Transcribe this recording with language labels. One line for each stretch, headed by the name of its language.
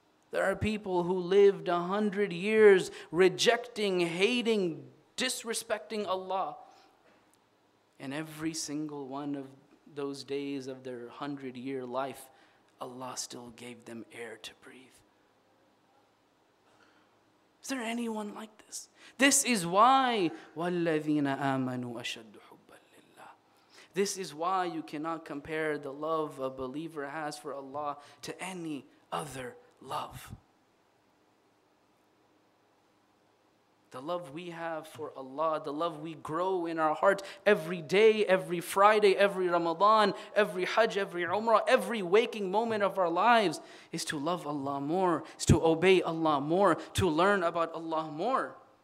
English: There are people who lived 100 years rejecting, hating, disrespecting Allah. And every single one of those days of their 100-year life, Allah still gave them air to breathe. Is there anyone like this? This is why
Arabic: وَالَّذِينَ آمَنُوا أَشَدُّ حُبًّا لِلَّهِ.
English: This is why you cannot compare the love a believer has for Allah to any other love. The love we have for Allah, the love we grow in our heart every day, every Friday, every Ramadan, every Hajj, every Umrah, every waking moment of our lives is to love Allah more, is to obey Allah more, to learn about Allah more.